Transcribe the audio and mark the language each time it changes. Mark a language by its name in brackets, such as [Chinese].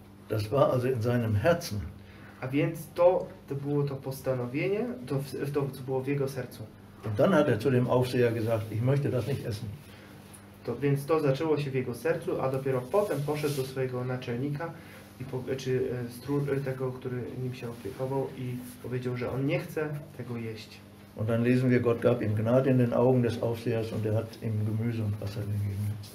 [German] Das war also in seinem Herzen. [Polish] A więc to było to postanowienie, to co było w jego sercu. [German] Und dann hat zu dem Aufseher gesagt, ich möchte das nicht essen. [Polish] To więc to zaczęło się w jego sercu, a dopiero potem poszedł do swojego naczelnika i tego, który nim się opiekował i powiedział, że on nie chce tego jeść. [German] Und dann lesen wir, Gott gab ihm Gnade in den Augen des Aufsehers und er hat ihm Gemüse und Wasser gegeben.